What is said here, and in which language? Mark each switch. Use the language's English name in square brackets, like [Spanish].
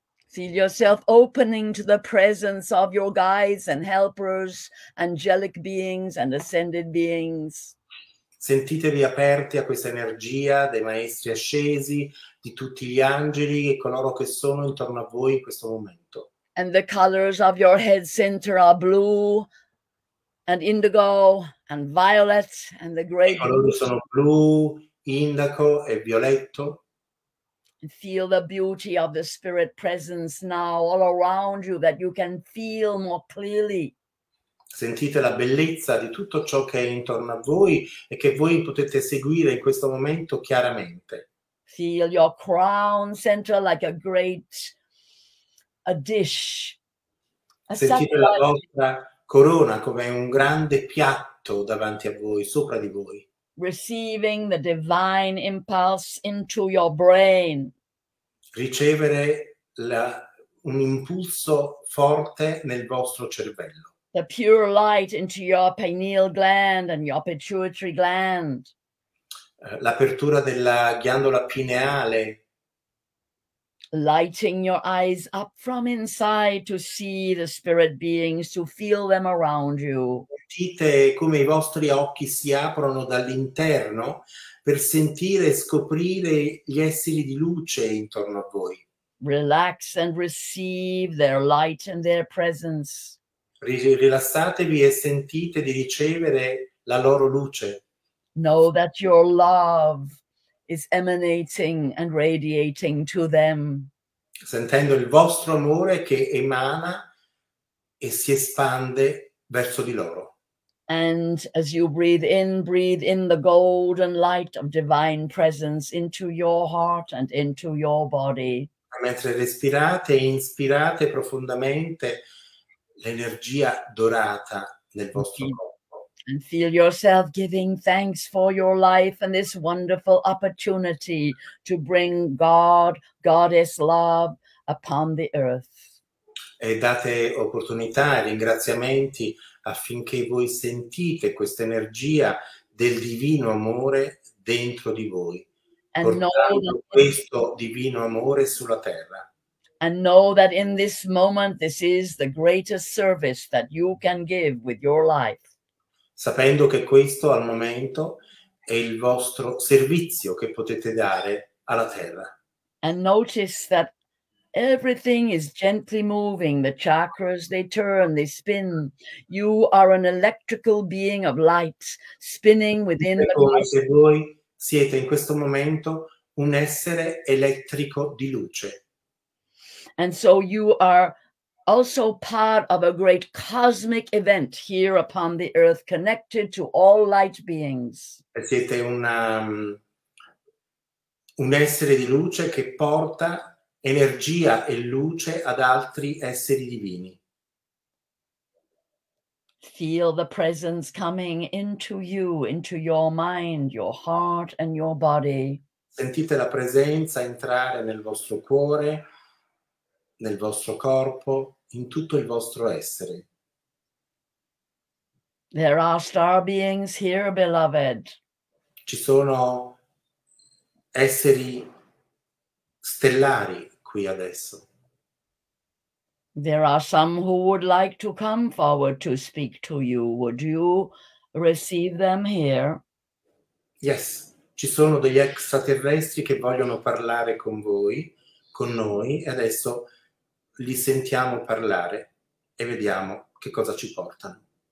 [English] Feel yourself opening to the presence of your guides and helpers, angelic beings and ascended beings. [Italian] Sentitevi aperti a questa energia dei maestri ascesi, di tutti gli angeli e coloro che sono intorno a voi in questo momento. [English] And the colors of your head center are blue and indigo and violet and the great. [Italian] I colori sono blu, indaco e violetto. [English] Feel the beauty of the spirit presence now all around you that you can feel more clearly. [Italian] Sentite la bellezza di tutto ciò che è intorno a voi e che voi potete seguire in questo momento chiaramente. [English] Feel your crown center like a great a dish. [Italian] A sentite la vostra corona come un grande piatto davanti a voi, sopra di voi. [English] Receiving the divine impulse into your brain. [Italian] Ricevere un impulso forte nel vostro cervello. [English] The pure light into your pineal gland and your pituitary gland. [Italian] L'apertura della ghiandola pineale. [English] Lighting your eyes up from inside to see the spirit beings, to feel them around you. [Italian] Sentite come i vostri occhi si aprono dall'interno per sentire e scoprire gli esseri di luce intorno a voi. [English] Relax and receive their light and their presence. [Italian] Rilassatevi e sentite di ricevere la loro luce. [English] Know that your love is emanating and radiating to them. [Italian] Sentendo il vostro amore che emana e si espande verso di loro. [English] And as you breathe in the golden light of divine presence into your heart and into your body. [Italian] Mentre respirate, inspirate profondamente l'energia dorata nel vostro corpo. [English] And feel yourself giving thanks for your life and this wonderful opportunity to bring God, Goddess love upon the earth. [Italian] E date opportunità e ringraziamenti affinché voi sentite questa energia del divino amore dentro di voi, portando questo divino amore sulla terra. [English] And know that in this moment this is the greatest service that you can give with your life. [Italian] Sapendo che questo al momento è il vostro servizio che potete dare alla terra. [English] And notice that everything is gently moving, the chakras they turn, they spin. You are an electrical being of light spinning within the cosmos. [Italian] Se voi siete in questo momento un essere elettrico di luce. [English] And so you are also part of a great cosmic event here upon the earth, connected to all light beings. [Italian] Siete un essere di luce che porta energia e luce ad altri esseri divini. [English] Feel the presence coming into you, into your mind, your heart and your body. [Italian] Sentite la presenza entrare nel vostro cuore, nel vostro corpo, in tutto il vostro essere. [English] There are star beings here, beloved. [Italian] Ci sono esseri stellari qui adesso. [English] There are some who would like to come forward to speak to you. Would you receive them here? Yes. [Italian] Ci sono degli extraterrestri che vogliono parlare con voi, con noi, e adesso li sentiamo parlare e vediamo che cosa ci portano.